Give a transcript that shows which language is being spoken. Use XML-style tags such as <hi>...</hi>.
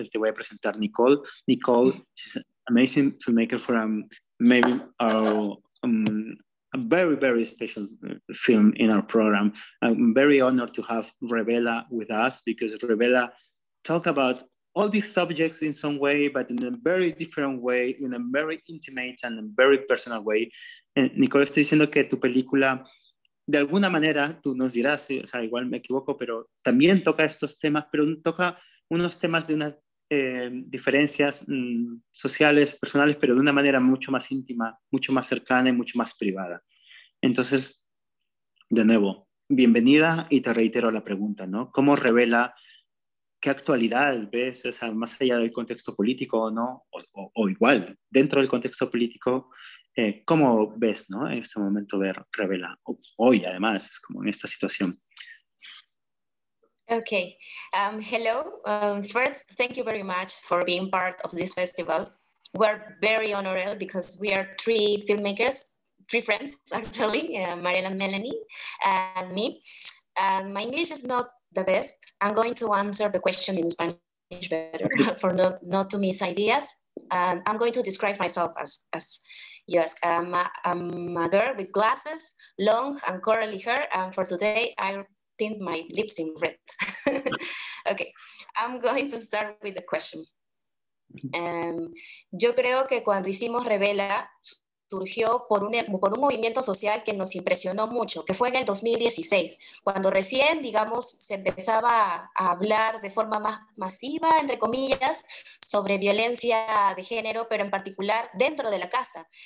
<es>Te voy a presentar</es> <en>Nicole. Nicole, she's an amazing filmmaker from maybe a very, very special film in our program. I'm very honored to have Revela with us because Revela talk about all these subjects in some way, but in a very different way, in a very intimate and very personal way.</en> <es>Nicole, estoy diciendo que tu película, de alguna manera, tú nos dirás, o sea, igual me equivoco, pero también toca estos temas, pero toca unos temas de unas diferencias sociales, personales, pero de una manera mucho más íntima, mucho más cercana y mucho más privada. Entonces, de nuevo, bienvenida y te reitero la pregunta, ¿no? ¿Cómo Revela, qué actualidad ves, o sea, más allá del contexto político o no, o igual, dentro del contexto político, ¿cómo ves, ¿no? En este momento ver Revela, hoy además, es como en esta situación.</es> <en>Okay, hello. First, thank you very much for being part of this festival. We're very honored because we are three filmmakers, three friends, actually, Mariela and Melanie and me. And my English is not the best. I'm going to answer the question in Spanish better for not to miss ideas. And I'm going to describe myself as you ask. I'm a girl with glasses, long and curly hair, and for today, my lips in red. Okay, I'm going to start with the question.</en> <es>Yo creo que cuando hicimos Revela surgió por un movimiento social que nos impresionó mucho, que fue en el 2016, cuando recién, digamos, se empezaba a hablar de forma más masiva, entre comillas, sobre violencia de género, pero en particular dentro de la casa.</es>